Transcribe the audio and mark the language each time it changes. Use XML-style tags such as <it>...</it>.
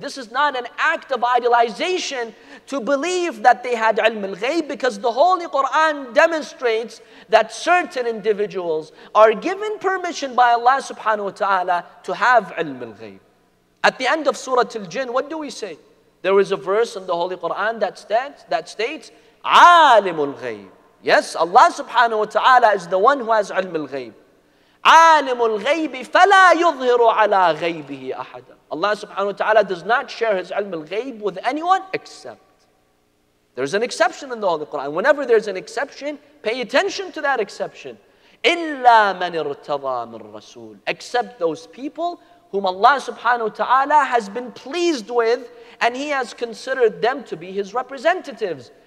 <en>This is not an act of idolization to believe that they had ilm al-ghayb, because the Holy Quran demonstrates that certain individuals are given permission by Allah subhanahu wa ta'ala to have ilm al-ghayb. At the end of Surah Al-Jinn, what do we say? There is a verse in the Holy Quran that states,</en> <ar>عالم الغيب.</ar> <en>Yes, Allah subhanahu wa ta'ala is the one who has ilm al-ghayb.</en> <ar>عالم الغيب فلا يظهر على غيبه أحدا.</ar> <en>Allah subhanahu wa ta'ala does not share his ilm al-ghayb with anyone except. There's an exception in the Holy Quran. Whenever there's an exception, pay attention to that exception.</en> <ar>إلا من ارتضى من رسول.</ar> <en>Except those people whom Allah subhanahu wa ta'ala has been pleased with and he has considered them to be his representatives.</en>